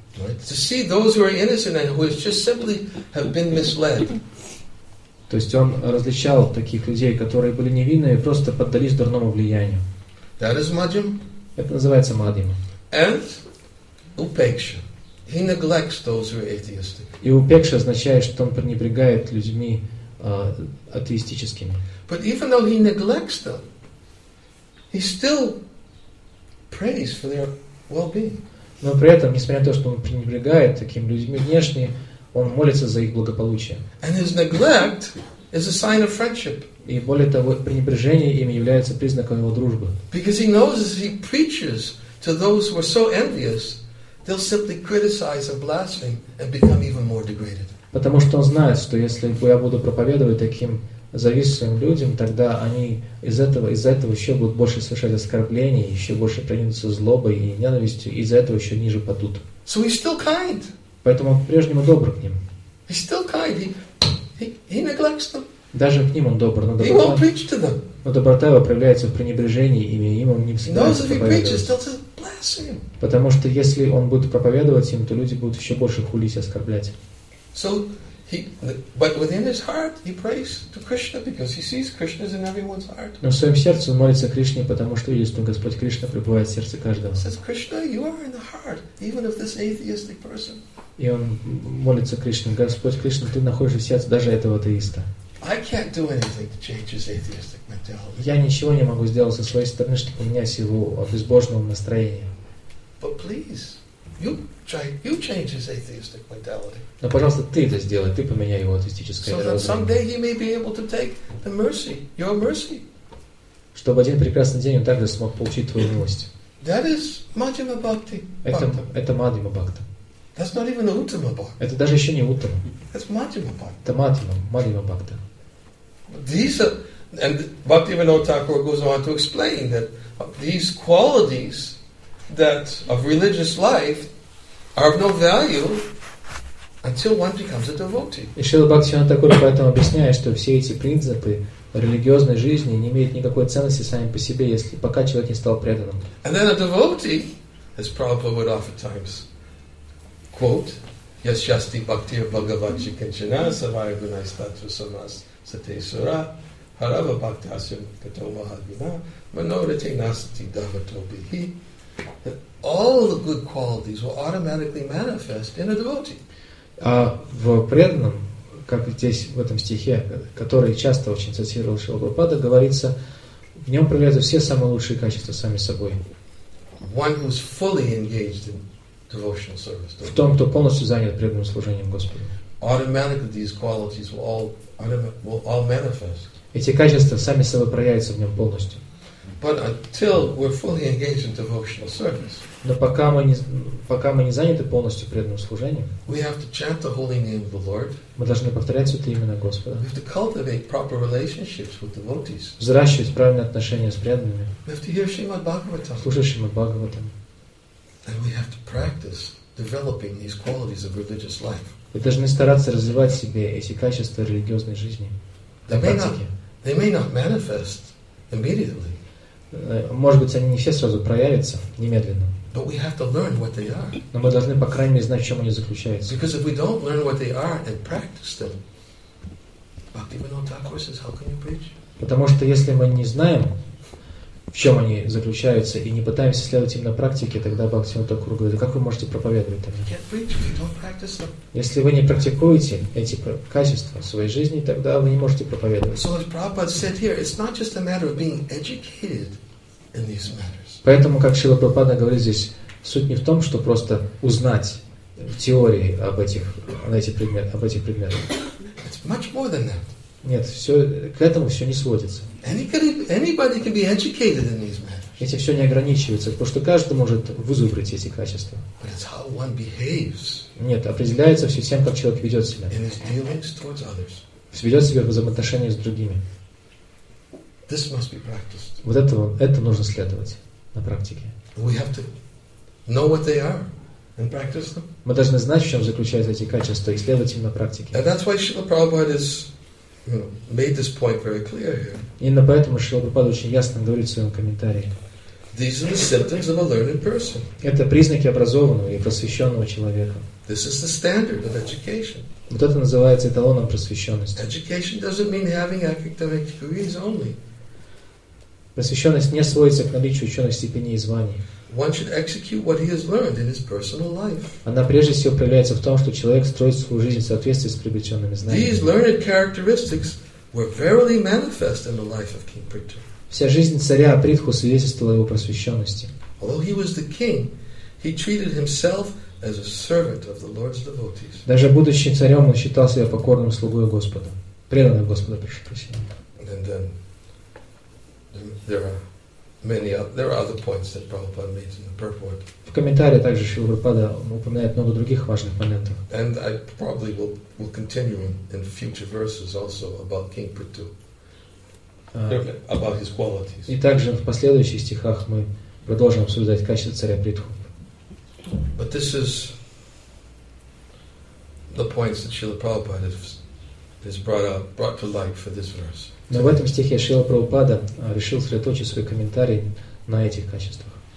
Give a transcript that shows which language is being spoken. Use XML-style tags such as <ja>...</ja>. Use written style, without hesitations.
<en>To see those who are innocent and who just simply have been misled.</en> <ru>То есть он различал таких людей, которые были невинны и просто поддались дурному влиянию.</ru> <en>That is madhyam.</en> <ru>Это называется мадхьяма.</ru> <en>And upeksha. He neglects those who are atheistic.</en> <ru>И упекша означает, что он пренебрегает людьми атеистическими.</ru> <en>But even though he neglects them, he still prays for their well-being.</en> <ru>Но при этом, несмотря на то, что он пренебрегает таким людьми внешне, он молится за их благополучие.</ru> <en>And his neglect is a sign of friendship.</en> <ru>И более того, пренебрежение им является признаком его дружбы.</ru> <en>Because he knows as he preaches to those who are so envious, they'll simply criticize and blaspheme and become even more degraded.</en> <ru>Потому что он знает, что если я буду проповедовать таким завистливым людям, тогда они из-за этого еще будут больше совершать оскорблений, еще больше проникнуться злобой и ненавистью, и из-за этого еще ниже падут.</ru> <en>So he's still kind.</en> <ru>Поэтому он по-прежнему добр к ним.</ru> <en>He's still kind. He neglects them.</en> <ru>Даже к ним он добр. Но</ru> <en>доброта, he won't preach to them.</en> <ru>Но доброта его проявляется в пренебрежении ими, им он не всегда проповедует. Потому что если он будет проповедовать им, то люди будут еще больше хулить и оскорблять.</ru> <en>So but within his heart he prays to Krishna because he sees Krishna is in everyone's heart.</en> <ru>Но в своем сердце он молится Кришне, потому что видит, что Господь Кришна пребывает в сердце каждого.</ru> <en>He says, Krishna, you are in the heart, even of this atheistic person.</en> <ru>И он молится Кришне, Господь Кришна, ты находишься в сердце даже этого атеиста.</ru> <en>I can't do anything to change his atheistic mentality.</en> <ru>Я ничего не могу сделать со своей стороны, чтобы поменять его безбожное настроение.</ru> <en>But please, you change his atheistic mentality.</en> <ru>Но, пожалуйста, ты это сделай, ты поменяй его атеистическое мировоззрение.</ru> <en>So that someday he may be able to take the mercy, your mercy.</en> <ru>Чтобы один прекрасный день он также смог получить твою милость.</ru> <en>That is Madhyama Bhakti.</en> <ru>Это Madhyama Bhakti.</ru> <en>That's not even Uttama Bhakti.</en> <ru>Это даже еще не Uttama.</ru> <en>That's Madhyama Bhakti.</en> <ru>Это Madhyama Bhakti.</ru> <en>These are, and Bhaktivinoda Thakur goes on to explain that these qualities that of religious life are of no value until one becomes a devotee.</en> <ru>И Шрила Бхактивинода Тхакура поэтому объясняет, что все эти принципы религиозной жизни не имеют никакой ценности сами по себе, если пока человек не стал преданным.</ru> <en>And then a devotee, as Prabhupada would oftentimes quote,</en> <sa>Yashasti Bhaktir Bhagavad Chikanchana Savaya Gunais Tatra Samas Sate Sura Harava Bhaktasya Katoma Hadina Manorite Nasati Davato Bihi.</sa> <en>All the good qualities will automatically manifest in a devotee.</en> <ru>А в преданном, как здесь в этом стихе, который часто очень цитировал Шрила Прабхупада, говорится, в нем проявляются все самые лучшие качества сами собой.</ru> <en>One who's fully engaged in devotional service.</en> <ru>В том, кто полностью занят преданным служением Господу.</ru> <en>Automatically these qualities will all manifest.</en> <ru>Эти качества сами собой проявятся в нем полностью.</ru> <en>But until we're fully engaged in devotional service,</en> <ru>но пока мы не заняты полностью преданным служением,</ru> <en>we have to chant the holy name of the Lord.</en> <ru>Мы должны повторять святые имена Господа.</ru> <en>We have to cultivate proper relationships with devotees.</en> <ru>Взращивать правильные отношения с преданными.</ru> <en>We have to hear Shrimad Bhagavatam.</en> <ru>Слушать Шримад Бхагаватам.</ru> <en>And we have to practice developing these qualities of religious life.</en> <ru>Мы должны стараться развивать в себе эти качества религиозной жизни.</ru> <en>They may not manifest immediately.</en> <ru>Может быть, они не все сразу проявятся, немедленно.</ru> <en>But we have to learn what they are.</en> <ru>Но мы должны, по крайней мере, знать, в чем они заключаются.</ru> <en>Because if we don't learn what they are and practice them, Bhaktivinoda Thakur says, how can you preach?</en> <ru>Потому что если мы не знаем, в чем они заключаются, и не пытаемся следовать им на практике, тогда Бхактивинода Такур говорит, как вы можете проповедовать там?</ru> <en>You can't preach if you don't practice them.</en> <ru>Если вы не практикуете эти качества в своей жизни, тогда вы не можете проповедовать.</ru> <en>So as Prabhupada said here, it's not just a matter of being educated in these matters.</en> <ru>Поэтому, как Шрила Прабхупада говорит здесь, суть не в том, что просто узнать в теории об этих предметах.</ru> <en>It's much more than that.</en> <ru>Нет, все, к этому все не сводится.</ru> <en>Anybody can be educated in these matters.</en> <ru>Эти все не ограничиваются, потому что каждый может вызубрить эти качества.</ru> <en>But it's how one behaves.</en> <ru>Нет, определяется все тем, как человек ведет себя.</ru> <en>In his dealings towards others.</en> <ru>Ведет себя в взаимоотношениях с другими.</ru> <en>This must be practiced.</en> <ru>Вот это нужно следовать на практике.</ru> <en>We have to know what they are and practice them.</en> <ru>Мы должны знать, в чем заключаются эти качества, и следовать им на практике.</ru> <en>And that's why Srila Prabhupada is made this point very clear here.</en> <ru>Именно поэтому Шрила Прабхупада очень ясно говорит в своем комментарии.</ru> <en>These are the symptoms of a learned person.</en> <ru>Это признаки образованного и просвещенного человека.</ru> <en>This is the standard of education.</en> <ru>Вот это называется эталоном просвещенности.</ru> <en>Education doesn't mean having academic degrees only.</en> <ru>Просвещенность не сводится к наличию ученых степеней и званий.</ru> <en>One should execute what he has learned in his personal life.</en> <ru>Она прежде всего проявляется в том, что человек строит свою жизнь в соответствии с приобретенными знаниями.</ru> <en>These learned characteristics were verily manifest in the life of King Prithu.</en> <ru>Вся жизнь царя Притху свидетельствовала его просвещенности.</ru> <en>Although he was the king, he treated himself as a servant of the Lord's devotees.</en> <ru>Даже будучи царем, он считал себя покорным слугой Господа, преданным Господу, прошу прощения.</ru> <en>There are other points that Prabhupada made in the purport.</en> <ru>В комментарии также Шрила Прабхупада упоминает много других важных моментов.</ru> <en>And I probably will continue in future verses also about King Prithu, about his qualities.</en> <ru>И также в последующих стихах мы продолжим обсуждать качества царя Притху.</ru> <en>But this is the points that Шрила Прабхупада has brought to light for this verse.</en> <ru>Но в этом стихе Шрила Прабхупада решил сосредоточить свой комментарий на этих качествах.</ru>